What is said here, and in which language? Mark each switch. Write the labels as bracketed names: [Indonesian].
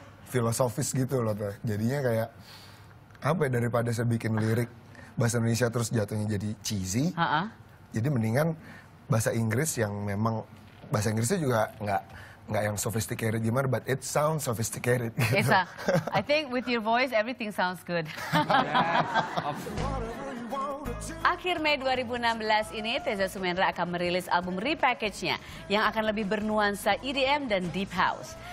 [Indonesian] filosofis gitu loh Teh. Jadinya kayak apa ya, daripada saya bikin lirik bahasa Indonesia terus jatuhnya jadi cheesy. Jadi mendingan bahasa Inggris yang memang bahasa Inggrisnya juga nggak yang sophisticated gimana, [English] but it sounds sophisticated. [Indonesian] Gitu. [English] It's a, I think with your voice everything sounds good. [Indonesian] Akhir Mei 2016 ini Teza Sumendra akan merilis album repackage-nya yang akan lebih bernuansa EDM dan deep house.